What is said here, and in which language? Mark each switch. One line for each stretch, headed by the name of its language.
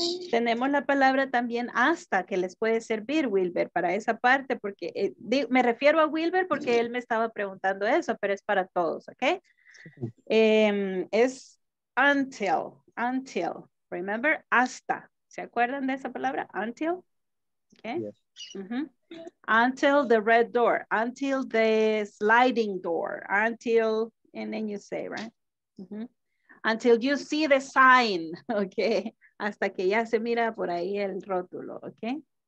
Spanish: Tenemos la palabra también hasta que les puede servir, Wilber, para esa parte, porque me refiero a Wilber porque él me estaba preguntando eso, pero es para todos, ¿ok? Es
English: until, until, remember,
Spanish: hasta, ¿se acuerdan de esa palabra?
English: Until, ¿ok? Uh-huh. Until the red door, until the sliding door, until, and then you say, right? Uh-huh. Until you see the sign, ¿ok?
Spanish: Hasta que ya se mira por ahí el rótulo, ¿ok?